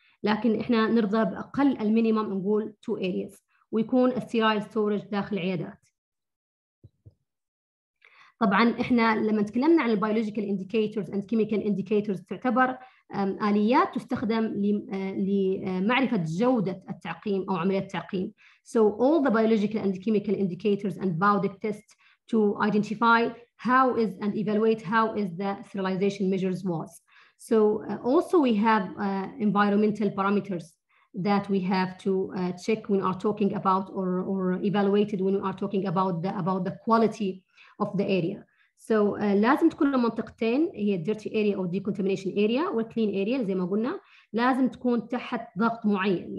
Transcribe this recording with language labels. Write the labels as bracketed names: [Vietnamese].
[Arabic] لكن احنا نرضى باقل المينيمم نقول تو areas ويكون السيرايل ستورج داخل العيادات. طبعا احنا لما تكلمنا عن البيولوجيكال انديكيتورز اند كيميكال انديكيتورز تعتبر اليات تستخدم لمعرفه جوده التعقيم او عمليه التعقيم. [English] So all the biological and chemical indicators and biodic tests to identify how is and evaluate how is the sterilization measures was. So also we have environmental parameters that we have to check when are talking about or evaluated when we are talking about the quality of the area. [Arabic] So لازم تكون المنطقتين هي الديرتي اريا او decontamination اريا والكلين اريا زي ما قلنا لازم تكون تحت ضغط معين.